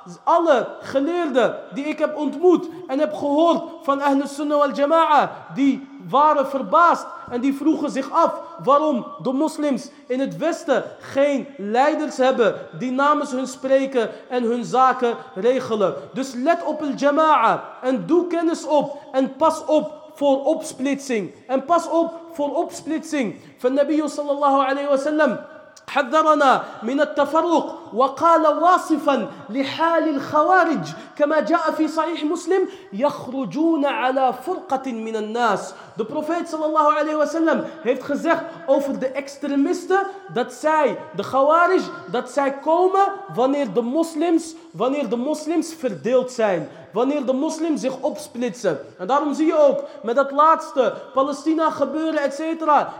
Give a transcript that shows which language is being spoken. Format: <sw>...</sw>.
<nl>Alle geleerden die ik heb ontmoet en heb gehoord van Ahlus Sunnah wal Jama'a, die waren verbaasd en die vroegen zich af waarom de moslims in het Westen geen leiders hebben die namens hun spreken en hun zaken regelen. Dus let op al Jama'a en doe kennis op en pas op voor opsplitsing. En pas op voor opsplitsing van Nabi sallallahu alayhi wa sallam.</nl> <ar>حذرنا من التفرق وقال واصفا لحال الخوارج كما جاء في صحيح مسلم يخرجون على فرقة من الناس.</ar> <nl>De profeet sallallahu alayhi wa sallam heeft gezegd over de extremisten dat zij, de khawarij, dat zij komen wanneer de moslims verdeeld zijn. Wanneer de moslims zich opsplitsen. En daarom zie je ook met dat laatste Palestina gebeuren, et cetera.</nl>